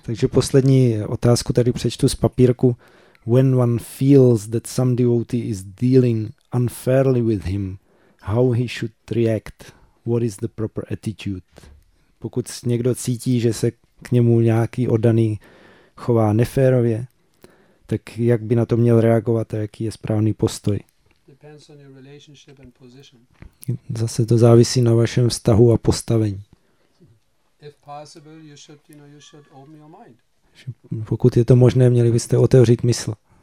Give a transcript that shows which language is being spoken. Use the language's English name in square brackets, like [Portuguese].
[Czech] Takže poslední otázku tady přečtu z papírku. [English] When one feels that some devotee is dealing unfairly with him, how he should react? What is the proper attitude? [Czech] Pokud někdo cítí, že se k němu nějaký oddaný chová neférově, tak jak by na to měl reagovat a jaký je správný postoj? [English] Depends on your relationship and position. [Czech] Zase to závisí na vašem vztahu a postavení. [English] If possible, you should, you know, you should open your mind. [Czech] Pokud je to možné, měli byste otevřít mysl.